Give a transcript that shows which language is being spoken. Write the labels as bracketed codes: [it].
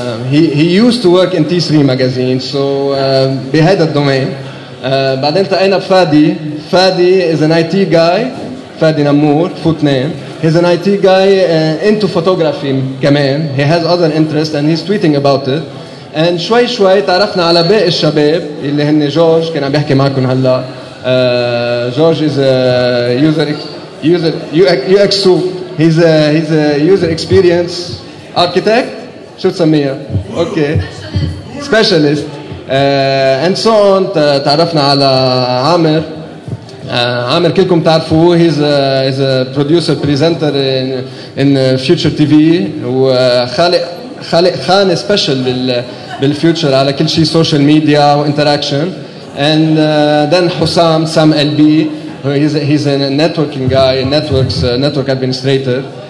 [en] He used to work in T3 magazine, so [ar] بهذا الدومين. بعدين تقينا بفادي. [en] Fadi is an IT guy. Fadi Namour, foot name. He's an IT guy into photography [ar] كمان. [en] He has other interests and he's tweeting about it. And [ar] شوي شوي تعرفنا على باقي الشباب اللي هن جورج كان عم بيحكي معكم هلا. [en] George is a user UX soup. He's a user experience architect. [ar] شو تسميها؟ اوكي. [en] Specialist. And so on. [ar] تعرفنا على عامر. عامر كلكم تعرفوا. [en] He's a producer presenter in Future TV. [ar] وخالق خانة special بالفيوتشر على كل شيء [en] social media interaction. And then حسام سام ال بي. He's a networking guy, networks, network administrator.